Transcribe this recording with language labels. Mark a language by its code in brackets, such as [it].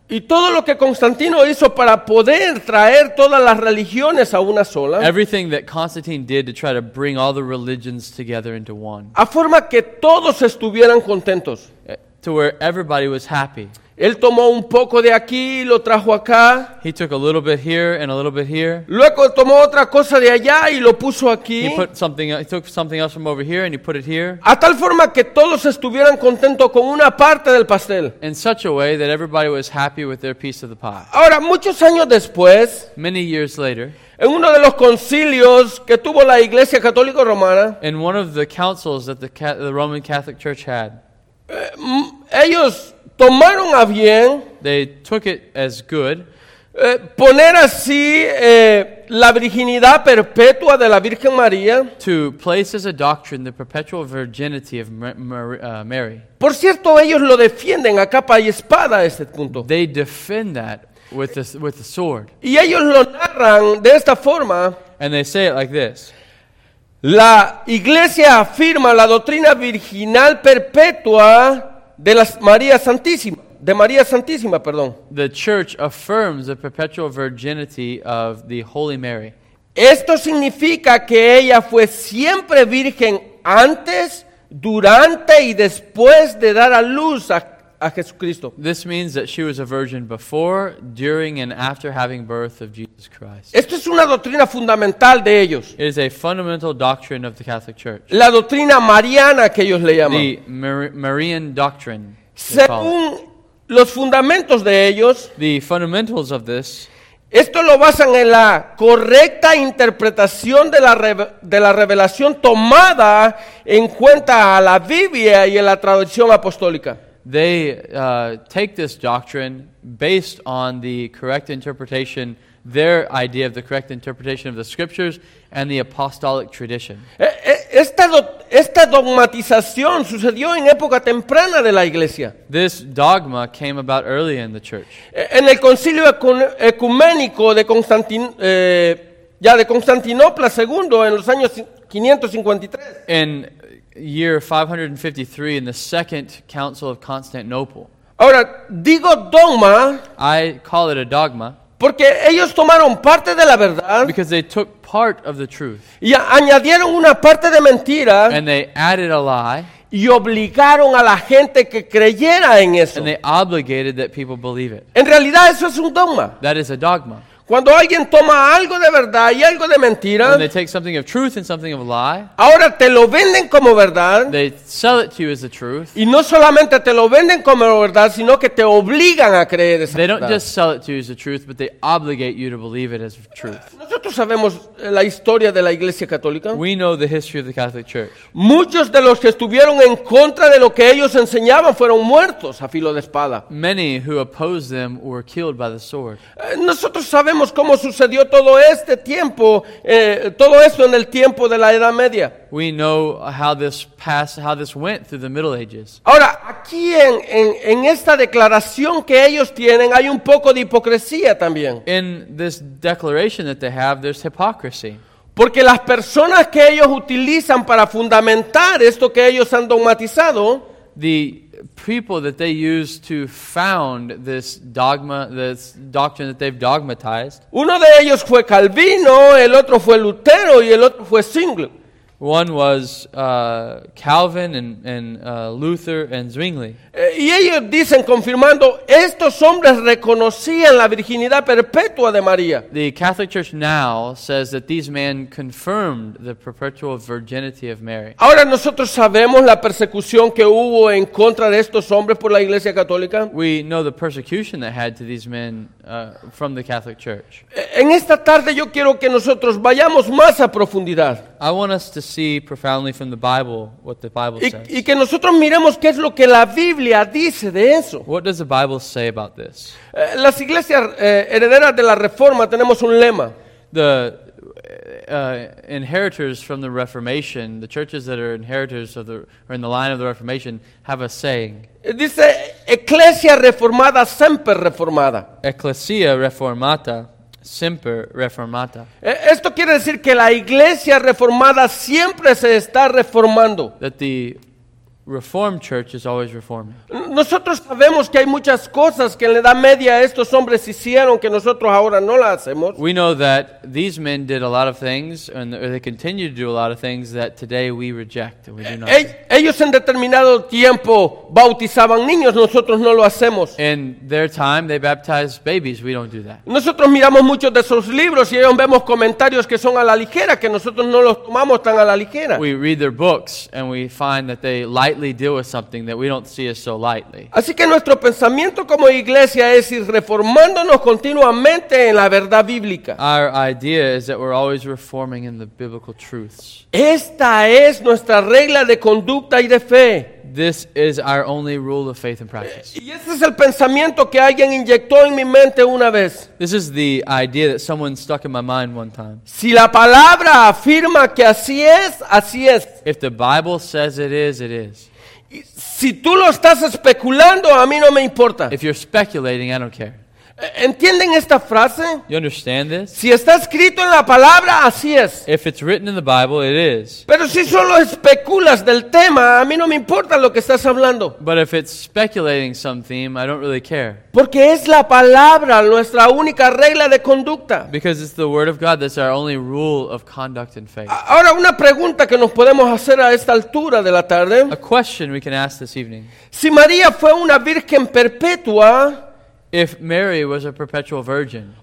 [es] Y todo lo que Constantino hizo para poder traer todas las religiones a una sola. [en] Everything that Constantine did to try to bring all the religions together into one. [es] A forma que todos estuvieran contentos. [en] To where everybody was happy. [es] Él tomó un poco de aquí y lo trajo acá. [en] He took a little bit here and a little bit here. [es] Luego tomó otra cosa de allá y lo puso aquí. [en] He took something else from over here and he put it here. [es] A tal forma que todos estuvieran contentos con una parte del pastel. [en] In such a way that everybody was happy with their piece of the pie. [es] Ahora, muchos años después, [en] many years later, [es] en uno de los concilios que tuvo la Iglesia Católica Romana, [en] in one of the councils that the Roman Catholic Church had, [es] ellos tomaron a bien, [en] they took it as good, [es] poner así la virginidad perpetua de la Virgen María, [en] to place as a doctrine the perpetual virginity of Mary. [es] Por cierto, ellos lo defienden a capa y espada a este punto. [en] They defend that with the sword. [es] Y ellos lo narran de esta forma. [en] And they say it like this. [es] La Iglesia afirma la doctrina virginal perpetua de la María Santísima, perdón. [en] The Church affirms the perpetual virginity of the Holy Mary. [es] Esto significa que ella fue siempre virgen antes, durante y después de dar a luz a Jesucristo. [en] This means that she was a virgin before, during and after having birth of Jesus Christ. [es] Esto es una doctrina fundamental de ellos. [en] It is a fundamental doctrine of the Catholic Church. [es] La doctrina mariana que ellos le llaman. [en] The Marian doctrine. [es] Según los fundamentos de ellos, [en] the fundamentals of this, [es] esto lo basan en la correcta interpretación de la revelación tomada en cuenta a la Biblia y a la tradición apostólica. [en] They take this doctrine based on the correct interpretation, their idea of the correct interpretation of the scriptures and the apostolic tradition. [es] Esta dogmatización sucedió en época temprana de la iglesia. [en] This dogma came about early in the church. [es] En el concilio ecuménico de Constantinopla II en los años 553. [en] Year 553 in the Second Council of Constantinople. [es] Ahora, digo dogma, [en] I call it a dogma, [es] porque ellos tomaron parte de la verdad, [en] because they took part of the truth, [es] y añadieron una parte de mentira, [en] and they added a lie, [es] y obligaron a la gente que creyera en eso, [en] and they obligated that people believe it. [es] En realidad, eso es un dogma. [en] That is a dogma. [es] Cuando alguien toma algo de verdad y algo de mentira, [en] when they take something of truth and something of lie, [es] ahora te lo venden como verdad, [en] they sell it to you as the truth, [es] y no solamente te lo venden como verdad, sino que te obligan a creer esa verdad. [en] They don't just sell it to you as the truth, but they obligate you to believe it as truth. [es] Nosotros sabemos la historia de la Iglesia Católica. [en] We know the history of the Catholic Church. [es] Muchos de los que estuvieron en contra de lo que ellos enseñaban fueron muertos a filo de espada. [en] Many who opposed them were killed by the sword. [es] Nosotros sabemos cómo sucedió todo este tiempo, todo esto en el tiempo de la Edad Media. [en] We know how this passed, how this went through the Middle Ages. [es] Ahora, aquí en esta declaración que ellos tienen, hay un poco de hipocresía también. [en] In this declaration that they have, there's hypocrisy. [es] Porque las personas que ellos utilizan para fundamentar esto que ellos han dogmatizado, [en] the people that they use to found this dogma, this doctrine that they've dogmatized. [es] Uno de ellos fue Calvino, el otro fue Lutero y el otro fue Zwingli. [en] One was Calvin and Luther and Zwingli. [es] Y ellos dicen, confirmando, estos hombres reconocían la virginidad perpetua de María. [en] The Catholic Church now says that these men confirmed the perpetual virginity of Mary. [es] Ahora nosotros sabemos la persecución que hubo en contra de estos hombres por la Iglesia Católica. [en] We know the persecution that had to these men from the Catholic Church. [es] En esta tarde yo quiero que nosotros vayamos más a profundidad. [en] I want us to see profoundly from the Bible what the Bible says. [es] Y que nosotros miremos qué es lo que la Biblia dice de eso. [en] What does the Bible say about this? [es] Las iglesias herederas de la Reforma tenemos un lema. [en] The inheritors from the Reformation, the churches that are inheritors of the or in the line of the Reformation, have a saying. [es] Dice [la] Ecclesia Reformata Semper Reformata. Ecclesia Reformata Semper Reformata. [es] Esto quiere decir que la Iglesia Reformada siempre se está reformando. [en] That the Reformed Church is always reforming. [es] Nosotros sabemos que hay muchas cosas que en la Edad Media estos hombres hicieron que nosotros ahora no las hacemos. [en] We know that these men did a lot of things, and they continue to do a lot of things that today we reject. We do not. [es] Ellos en determinado tiempo bautizaban niños, nosotros no lo hacemos. [en] In their time, they baptized babies. We don't do that. [es] Nosotros miramos muchos de esos libros y ellos vemos comentarios que son a la ligera, que nosotros no los tomamos tan a la ligera. [en] We read their books and we find that they lightly deal with something that we don't see as so lightly. [es] Así que nuestro pensamiento como iglesia es ir reformándonos continuamente en la verdad bíblica. [en] Our idea is that we're always reforming in the biblical truths. [es] Esta es nuestra regla de conducta y de fe. [en] This is our only rule of faith and practice. [es] Y ese es el pensamiento que alguien inyectó en mi mente una vez. [en] This is the idea that someone stuck in my mind one time. [es] Si la palabra afirma que así es, así es. [en] If the Bible says it is, it is. [es] Y si tú lo estás especulando, a mí no me importa. [en] If you're speculating, I don't care. [es] ¿Entienden esta frase? [en] You understand this? [es] Si está escrito en la palabra, así es. [en] If it's written in the Bible, it is. [es] Pero si solo especulas del tema, a mí no me importa lo que estás hablando. [en] But if it's speculating some theme, I don't really care. [es] Porque es la palabra nuestra única regla de conducta. [en] Because it's the word of God that's our only rule of conduct and faith. [es] Ahora, una pregunta que nos podemos hacer a esta altura de la tarde. [en] A question we can ask this evening. [es] Si María fue una virgen perpetua, [en] if Mary was a perpetual virgin,